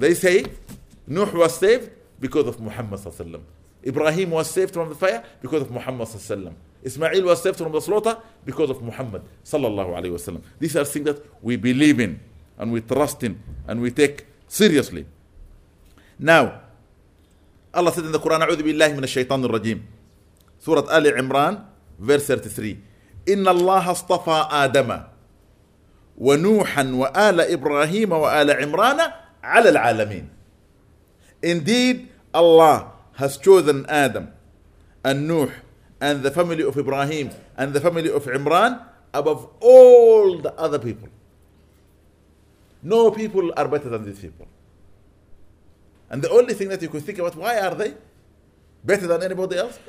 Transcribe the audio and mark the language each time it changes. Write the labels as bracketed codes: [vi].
[en] They say Nuh was saved because of Muhammad sallallahu alaihi wasallam. Ibrahim was saved from the fire because of Muhammad sallallahu alaihi wasallam. Ismail was saved from the slaughter because of Muhammad sallallahu alaihi wasallam. These are things that we believe in and we trust in and we take seriously. Now, Allah said in the Quran, [ar] أعوذ بالله من الشيطان الرجيم. [en] Surah Ali Imran, verse 33. [ar] إن الله اصطفى آدم ونوحا وآل إبراهيم وآل عمران على العالمين. [en] Indeed, Allah has chosen Adam and Nuh and the family of Ibrahim and the family of Imran above all the other people. No people are better than these people. And the only thing that you could think about, why are they better than anybody else?